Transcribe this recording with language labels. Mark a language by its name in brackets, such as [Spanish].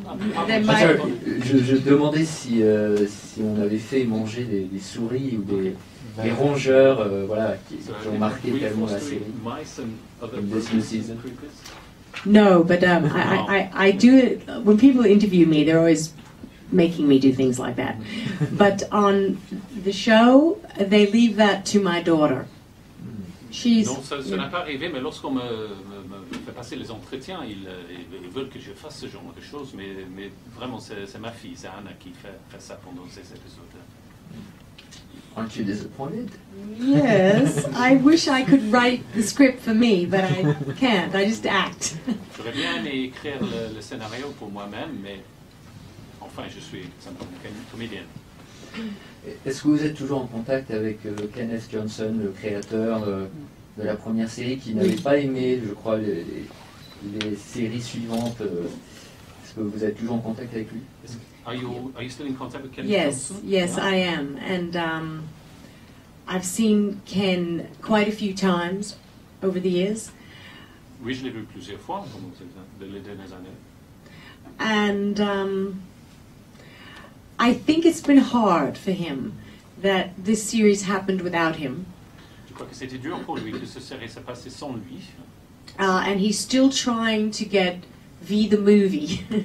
[French] Je demandais si on avait fait manger des souris ou des. Les rongeurs, voilà, qui ont marqué tellement la série. [English] This new season. No, but I do it when people interview me. They're always making me do things like that. But on the show, they leave that to my daughter. She's. [French] Non, ça n'a pas arrivé. Mais lorsqu'on me fait passer les entretiens, ils veulent que je fasse ce genre de choses. Mais vraiment, c'est ma fille, c'est Anna qui fait ça pendant ces épisodes. [English] Aren't you disappointed? Yes, I wish I could write the script for me, but I can't. I just act. [French] J'aurais bien aimé écrire le scénario pour moi-même, mais enfin, je suis simplement une comédienne. Est-ce que vous êtes toujours en contact avec Kenneth Johnson, le créateur de la première série, qui n'avait pas aimé, je crois, les séries suivantes? Est-ce que vous êtes toujours en contact avec lui? [English] Are you still in contact with Ken? Yes, Johnson? Yes, yeah. I am. And I've seen Ken quite a few times over the years. [French] Oui, je l'ai vu plusieurs fois pendant les dernières années. [English] And I think it's been hard for him that this series happened without him. [French] Je crois que c'était dur pour lui que ce série s'est passé sans lui. [English] And he's still trying to get V the movie.